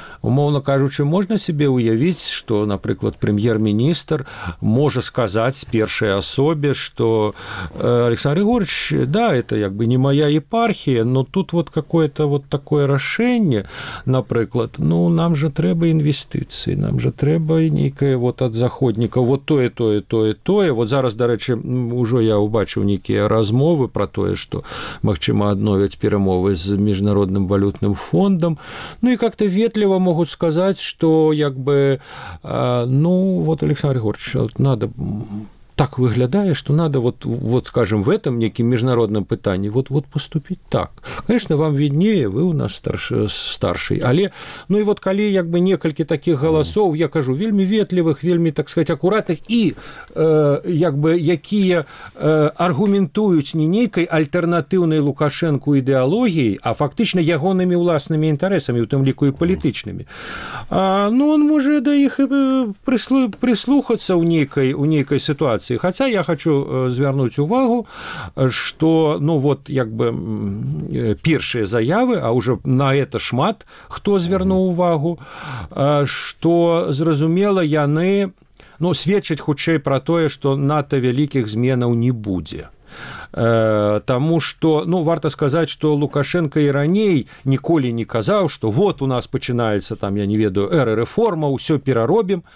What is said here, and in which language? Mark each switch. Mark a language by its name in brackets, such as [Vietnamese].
[Belarusian] Умоўна кажучы, можна сябе ўявіць, што, напрыклад, прэм'ер-міністр можа сказаць першай асобе, што Александр Григорьевич, да, это як бы не мая епархія, [Russian] но тут вот какое-то вот такое [Belarusian] рашэнне, напрыклад, ну, нам жа трэба інвестыцыі, нам жа трэба нейкае вот ад заходніка, вот тое. Вот зараз, дарэчы, ўжо я ўбачыў нейкія размовы пра тое, што магчыма адновяць перамовы з Міжнародным валютным фондам. [Russian] Ну, і как-то ветліва могут сказать, что як бы, ну, вот, Александр Григорьевич, надо, так выглядае, что надо вот, скажем, в этом неким международном пытании вот поступить так. Конечно, вам виднее, вы у нас старший, але, ну, и вот, коли, як бы, некалькі таких голосов, я кажу, вельми ветливых, вельми, так сказать, аккуратных, и, як бы, якія аргументуют не некой альтернативной Лукашенко идеологией, а фактично ягонными власными интересами, в том лику и политичными, ну, он может до их прислухаться у некой ситуации. [Belarusian] Хотя я хочу звернуть увагу, что, ну, вот, як бы, першие заявы, а уже на это шмат кто звернул увагу, что, зразумела, яны, ну, свечать хутчэй про тое, что НАТО великих зменаў не будзе. Таму што, ну, варта сказаць, што Лукашэнка і раней ніколі не казаў, што вот у нас пачынаецца там, я не ведаю, эра рэформа, ўсё пераробім.